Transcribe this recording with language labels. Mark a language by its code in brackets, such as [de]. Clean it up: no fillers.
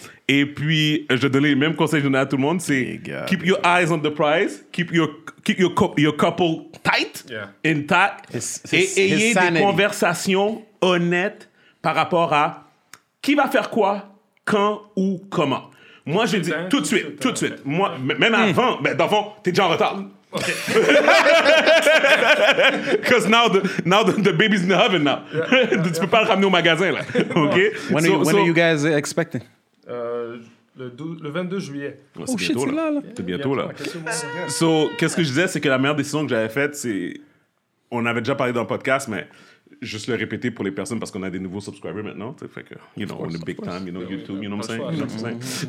[fr] Et puis, je vais donner les mêmes conseils que je donne à tout le monde, c'est [en] keep your eyes on the prize, keep your couple tight, intact, [fr] et ayez des conversations honnêtes par rapport à qui va faire quoi, quand ou comment. Moi, je dis tout de suite, tout de suite. Moi, même avant, mais dans le fond, t'es déjà en retard. [en] Okay. Cause now the baby's in the oven now. [fr] Tu peux pas le ramener au magasin là. [en] Ok. When are you guys expecting? [fr] Le 22 juillet. [en] Oh shit, [fr] c'est là. C'est bientôt là. So, qu'est-ce que je disais, c'est que la meilleure décision que j'avais faite, c'est, on avait déjà parlé dans le podcast, mais juste le répéter pour les personnes parce qu'on a des nouveaux subscribers maintenant. Fait que, [en] you know, [fr] on a [en] big time, you know, YouTube, you know what I'm saying?